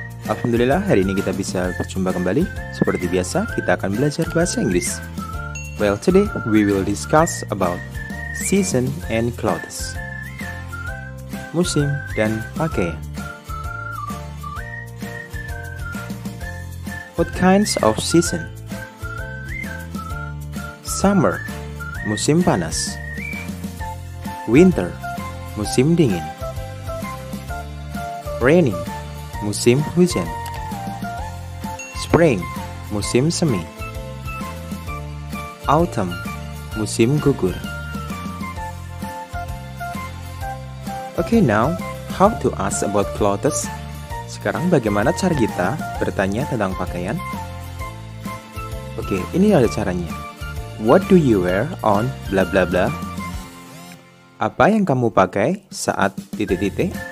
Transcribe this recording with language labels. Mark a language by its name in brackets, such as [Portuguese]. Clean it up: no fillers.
[Indonesian] Alhamdulillah, hari ini kita bisa berjumpa kembali. Seperti biasa, kita akan belajar bahasa Inggris. [English] Well, today we will discuss about season and clothes. [Indonesian] Musim dan pakaian. [English] What kinds of season? [Indonesian] Summer. Musim panas. Winter, musim dingin. Rainy, musim hujan. Spring, musim semi. Autumn, musim gugur. [English] Okay, now, how to ask about clothes? [Indonesian] Sekarang bagaimana cara kita bertanya tentang pakaian? Okay, ini ada caranya. [English] What do you wear on blah blah blah? [Indonesian] Apa yang kamu pakai saat titik-titik?